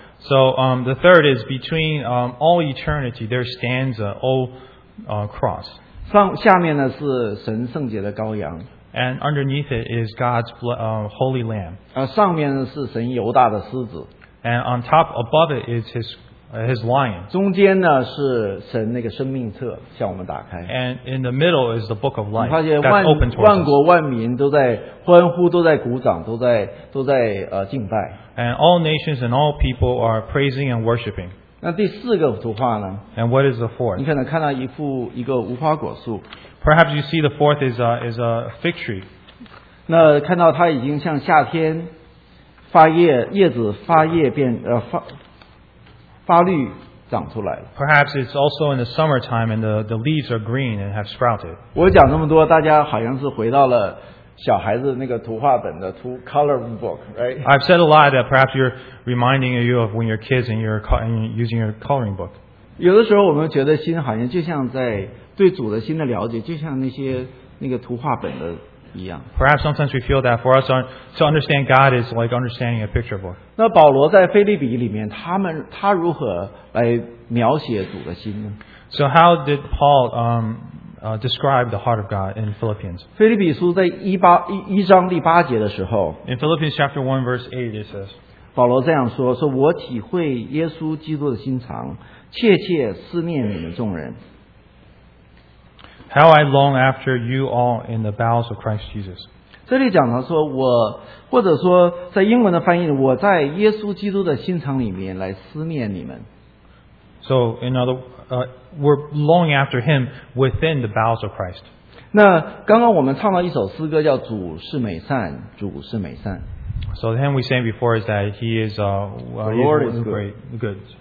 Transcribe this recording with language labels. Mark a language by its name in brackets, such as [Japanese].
[English] So the third is between all eternity there stands an old cross. [Chinese] 上下面呢是神圣洁的羔羊。 [English] And underneath it is God's holy lamb. [Chinese] 上面是神犹大的狮子。 [English] And on top, above it is his lion. [Chinese] 中间呢是神那个生命册，向我们打开。 [English] And in the middle is the book of life. [Chinese] 发现万国万民都在欢呼，都在鼓掌，都在敬拜。 [English] And all nations and all people are praising and worshiping. [Chinese] 那第四个图画呢？ [English] And what is the fourth? [Chinese] 你可能看到一个无花果树。 [English] Perhaps you see the fourth is a fig tree. [Chinese] 那看到它已经向夏天发叶，叶子发绿长出来了。 [English] Perhaps it's also in the summertime and the leaves are green and have sprouted. [Chinese] 我讲那么多，大家好像是回到了小孩子那个图画本的图 [English] color book, right? I've said a lot that perhaps you're reminding you of when you're kids and you're using your coloring book. [Chinese] 有的时候我们觉得心好像就像在对主的心的了解，就像那些那个图画本的一样。 [English] Perhaps sometimes we feel that for us to understand God is like understanding a picture book. [Chinese] 那保罗在腓立比里面，他如何来描写主的心呢？ [English] So how did Paul describe the heart of God in Philippians? [Chinese] 腓立比书在一章第八节的时候 [English] ，In Philippians chapter 1 verse 8 it says. [Chinese] 保罗这样说：“说我体会耶稣基督的心肠，切切思念你们众人。” [English] How I long after you all in the bowels of Christ Jesus. [Chinese] 这里讲到说我，或者说在英文的翻译，我在耶稣基督的心肠里面来思念你们。 [English] So in other, we're longing after Him within the bowels of Christ. [Chinese] 那刚刚我们唱到一首诗歌叫《主是美善》，主是美善。 [English] So the hymn we sang before is that He is the Lord is great.